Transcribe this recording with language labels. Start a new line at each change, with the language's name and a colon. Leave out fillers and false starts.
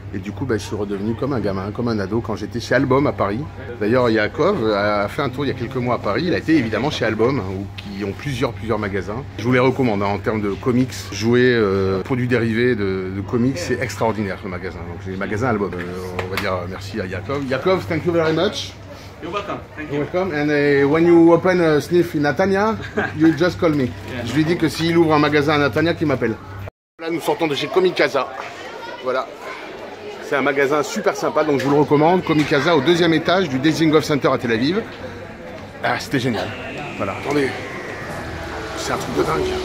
French: Et du coup, ben, je suis redevenu comme un gamin, comme un ado quand j'étais chez Album à Paris. D'ailleurs, Yaakov a fait un tour il y a quelques mois à Paris. Il a été évidemment chez Album, qui ont plusieurs magasins. Je vous les recommande hein, en termes de comics, jouets, produits dérivés de comics. C'est extraordinaire le magasin. Donc, les magasins Album. On va dire merci à Yaakov.
English: Yaakov, thank you very much. You're welcome. Thank you. You're welcome. And when you open a sniff in Natania, you just call me. Yeah.
French: Je lui dis que s'il ouvre un magasin à Natania, qu'il m'appelle. Là, nous sortons de chez Comicasa. Voilà. C'est un magasin super sympa, donc je vous le recommande. Comicasa au deuxième étage du Dezhinskoï Center à Tel Aviv. Ah, c'était génial. Voilà. Attendez. C'est un truc de dingue.